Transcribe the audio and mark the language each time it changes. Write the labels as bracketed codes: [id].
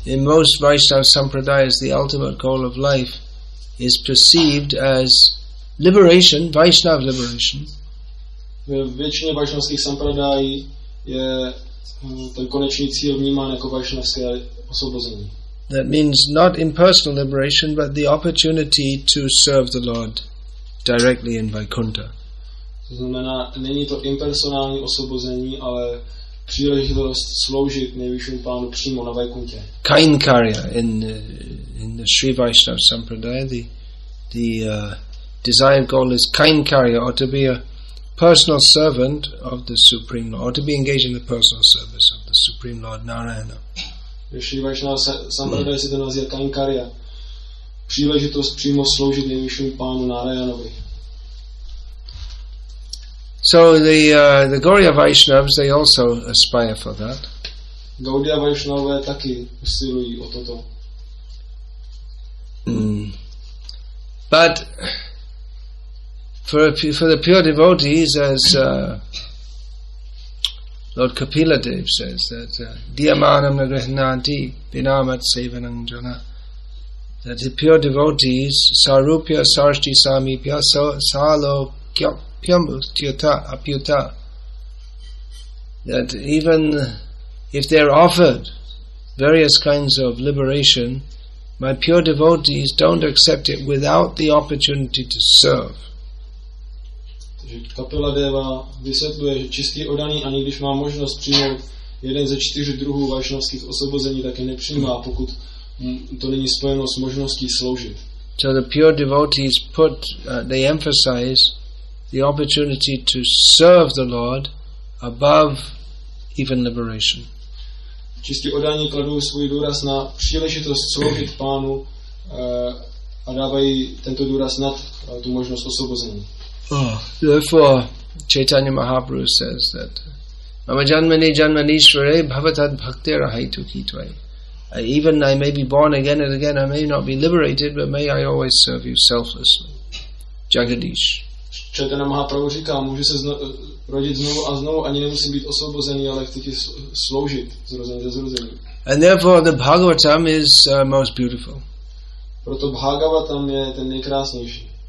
[en] In most Vaishnav sampradayas, the ultimate goal of life is perceived as liberation, Vaishnav liberation. [cs] Ve většině vaishnavských sampradají je ten konečný cíl vnímán jako vaishnavské osvobození. [en] That means not impersonal liberation, but the opportunity to serve the Lord directly in Vaikuntha. [cs] To znamená, není to impersonální osvobození, ale příležitost sloužit nejvyššímu pánu přímo na Vaikunthe. [en] Kainkarya in the Sri Vaishnav Sampradaya, the desired goal is kainkarya, or to be a personal servant of the Supreme Lord, or to be engaged in the personal service of the Supreme Lord Narayana. [cs] Sri Vaishnava Sampradaya se to nazývá kainkarya, příležitost přímo sloužit nejvyššímu pánu Narayanovi. [en] So the Gaurya Vaishnavas, they also aspire for that. [cs] Gaudiya Vaishnavové taky usilují o toto. [en] But for the pure devotees, as Lord Kapila Dev says, that [sa] diyamanam nagrihnanti binamat sevanam jana, [en] that the pure devotees [sa] sarupya sarshti samipya salo kyapyam utyata apyuta, [en] that even if they are offered various kinds of liberation, my pure devotees don't accept it without the opportunity to serve. [cs] Že Kapila Deva vysvětluje, že čistý oddaný, ani když má možnost přijmout jeden ze čtyř druhů vaishnavských osvobození, tak je nepřijímá, pokud to není spojeno s možností sloužit. [en] So the pure devotees put, they emphasize the opportunity to serve the Lord above even liberation. [cs] Čistý oddaný kladou svůj důraz na příležitost sloužit pánu a dávají tento důraz nad tu možnost osvobození. [en] Therefore, Chaitanya Mahaprabhu says that [sa] Mama Janmane Janmaneeshware Bhavatad Bhakti Rahaitu Kitwai. [en] Even I may be born again and again, I may not be liberated, but may I always serve you selflessly. Jagadish. [cs] Chaitanya Mahaprabhu říká, můžu se rodit znovu a znovu, ani nemusím být osvobozený, ale chci ti sloužit zrozeně, zrozeně. [en] And therefore the Bhagavatam is most beautiful. [cs] Proto Bhagavatam je ten nejkrásnější.